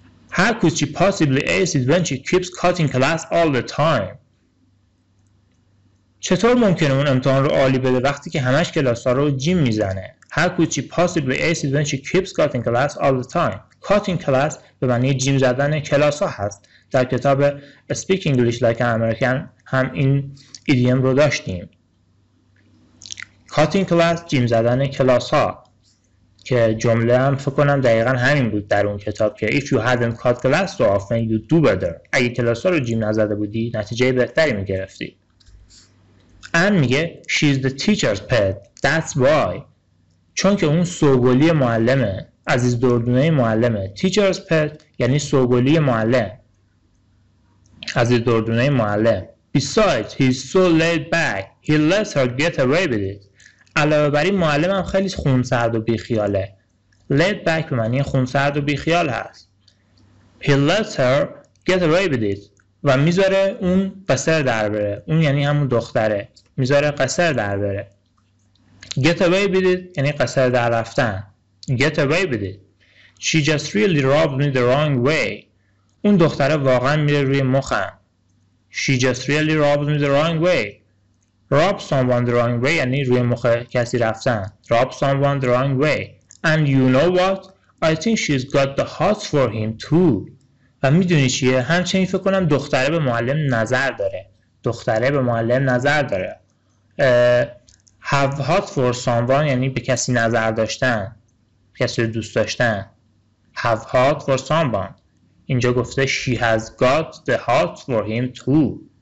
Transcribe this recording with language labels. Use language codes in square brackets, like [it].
[en] How could she possibly ace it when she keeps cutting class all the time. [fa] چطور ممکنه اون امتحان رو عالی بده وقتی که همش کلاس ها رو جیم میزنه. [en] How could she possibly ace it when she keeps cutting class all the time. [fa] Cutting class به معنی جیم زدن کلاس ها هست. در کتاب Speak English Like an American هم این ایدیوم رو داشتیم. Cutting class جیم زدن کلاس ها، که جمله هم فکر کنم دقیقا همین بود در اون کتاب که [en] If you hadn't cut class so often you'd do better. [fa] اگه کلاس ها رو جیم نزده بودی نتیجه بهتری میگرفتی. آن میگه [en] She's the teacher's pet. That's why. [fa] چون که اون سوگلی معلمه، عزیز دردونه معلمه. [en] teacher's pet [fa] یعنی سوگلی معلم، عزیز دردونه معلم. [en] besides he's so laid back he lets her get away with it. [fa] علاوه بر این معلم هم خیلی خونسرد و بیخیاله. [en] laid back [fa] به معنی خونسرد و بیخیال هست. [en] he lets her get away with it [fa] و میذاره اون قصر در بره. اون یعنی همون دختره، میذاره قصر در بره. [en] get away with it [fa] یعنی قصر در رفتن. Get away with it. [en] She just really rubbed me the wrong way. [fa] اون دختره واقعا میره روی مخم. [en] She just really rubbed me the wrong way. Rub someone the wrong way یعنی روی مخ کسی رفتن. Rub someone the wrong way. And you know what? I think she's got the hots for him too. [fa] و میدونی چیه؟ همچنین فکر کنم دختره به معلم نظر داره. دختره به معلم نظر داره. [en] Have hots for someone [fa] یعنی به کسی نظر داشتن، کسی رو دوست داشتن. [en] Have hot for someone. [fa] اینجا گفته [en] She has got the hot for him too.